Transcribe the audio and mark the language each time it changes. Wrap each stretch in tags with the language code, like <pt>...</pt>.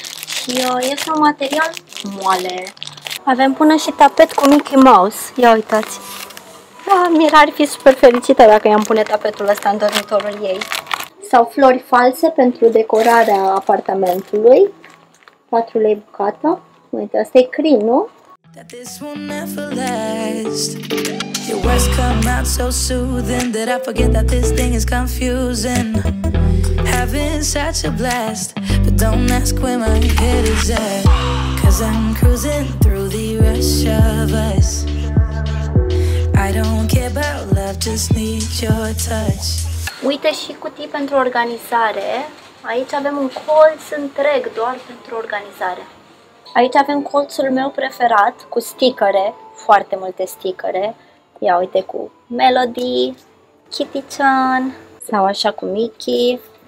<ro>Și este un material moale. Avem până și tapet cu Mickey Mouse. Ia uitați. Mira ar fi super fericită dacă i-am pune tapetul ăsta în dormitorul ei. Sau flori false pentru decorarea apartamentului. 4 lei bucata. Uite, asta e cream, nu?</ro> <en>That this will never last. Your words come out so soothing that I forget that this thing is confusing. Having such a blast, but don't ask where my head is at. 'Cause I'm cruising through the rush of us. I don't care about love, just need your touch.</en> <ro>Uite și cutii pentru organizare. Aici avem un colț întreg doar pentru organizare. Aici avem colțul meu preferat cu sticăre, foarte multe sticăre. Ia uite cu Melody, Kitty Chan sau așa cu Mickey.</ro>